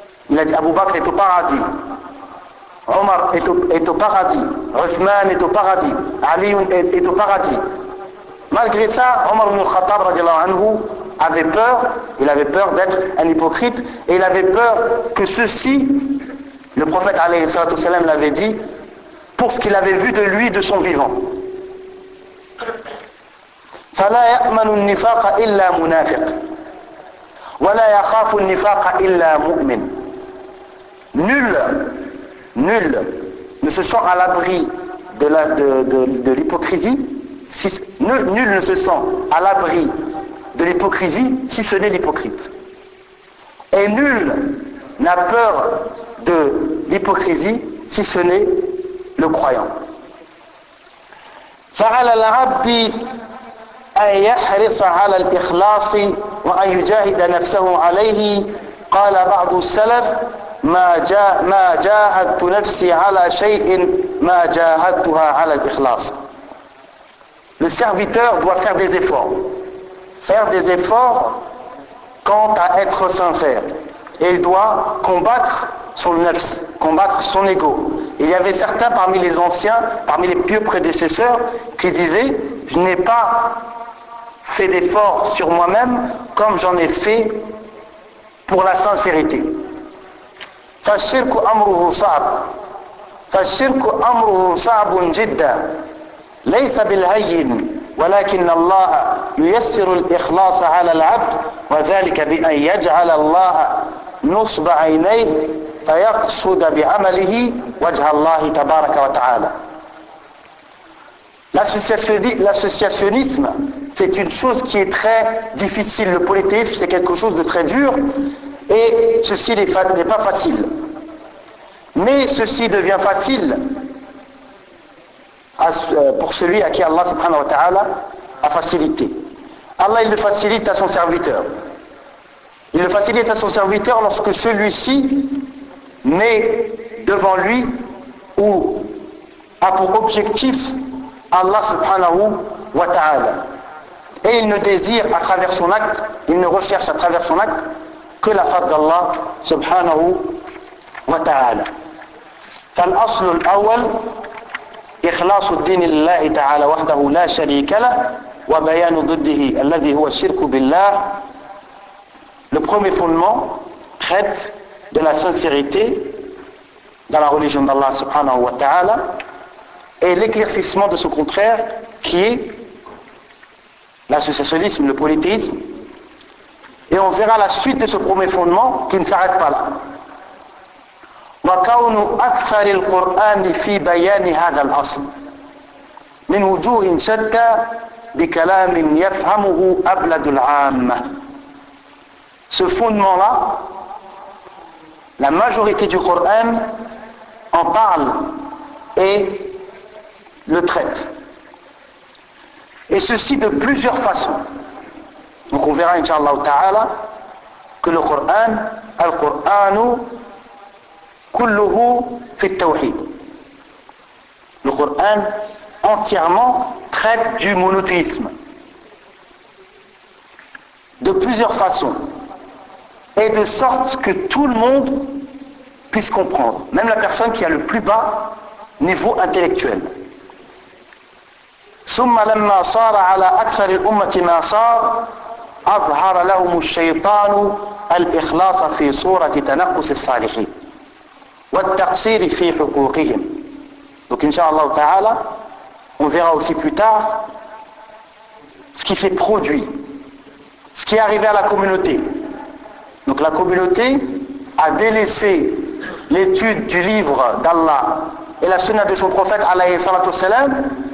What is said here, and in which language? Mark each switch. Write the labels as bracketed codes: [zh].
[fr] Il a dit Abu Bakr est au paradis, Omar est au paradis, Uthman est au paradis, Ali est au paradis. Malgré ça, Omar ibn al-Khattab radiallahu anhu avait peur, il avait peur d'être un hypocrite et il avait peur que ceci, le prophète alayhi salatu wasalam l'avait dit, pour ce qu'il avait vu de lui de son vivant. [ar] فلا يأمن النفاق إلا منافق ولا يخاف النفاق إلا مؤمن. [fr] Nul ne se sent à l'abri de l'hypocrisie, si nul ne se sent à l'abri de l'hypocrisie si ce n'est l'hypocrite. Et nul n'a peur de l'hypocrisie si ce n'est le croyant. [ar] فعلى العبد أن يحرص على الإخلاص وأن يجاهد نفسه عليه. قال بعض السلف: ما جاهدت نفسي على شيء ما جاهدتها على الإخلاص. [fr] Le serviteur doit faire des efforts quant à être sincère. Il doit combattre son nefs, combattre son ego. Il y avait certains parmi les anciens, parmi les pieux prédécesseurs, qui disaient, je n'ai pas fait d'effort sur moi-même comme j'en ai fait pour la sincérité. [ar] فالشرك أمره صعب جدا ليس بالهين ولكن الله ييسر الإخلاص على العبد وذلك بأن يجعل الله نصب عينيه فيقصد بعمله وجه الله تبارك وتعالى. [fr] L'associationnisme, c'est une chose qui est très difficile. Le polythéisme, c'est quelque chose de très dur et ceci n'est pas facile. Mais ceci devient facile pour celui à qui Allah subhanahu wa ta'ala a facilité. Allah, il le facilite à son serviteur. Il le facilite à son serviteur lorsque celui-ci met devant lui ou a pour objectif Allah subhanahu wa ta'ala. Et il ne désire à travers son acte, il ne recherche à travers son acte que la face d'Allah subhanahu wa ta'ala. [ar] فالأصل الأول إخلاص الدين لله تعالى وحده لا شريك له وبيان ضده الذي هو الشرك بالله. [fr] Le premier fondement traite de la sincérité dans la religion d'Allah subhanahu wa ta'ala et l'éclaircissement de son contraire qui est l'associationnisme, le polythéisme. Et on verra la suite de ce premier fondement qui ne s'arrête pas là. [ar] وكون أكثر القرآن في بيان هذا الأصل من وجوه شتى بكلام يفهمه أبلد العامة. [fr] Ce fondement-là, la majorité du Coran en parle et le traite. Et ceci de plusieurs façons. Donc on verra, inshallah ta'ala, que le Coran, al-Qur'anu, [ar] كله في التوحيد. [fr] Le Coran entièrement traite du monothéisme de plusieurs façons et de sorte que tout le monde puisse comprendre, même la personne qui a le plus bas niveau intellectuel. [ar] ثم لما صار على أكثر الأمة ما صار أظهر لهم الشيطان الإخلاص في صورة تنقص الصالحين. [fr] Donc, Inch'Allah Ta'ala, on verra aussi plus tard ce qui s'est produit, ce qui est arrivé à la communauté. Donc, la communauté a délaissé l'étude du livre d'Allah et la sunna de son prophète, alayhi salatu salam.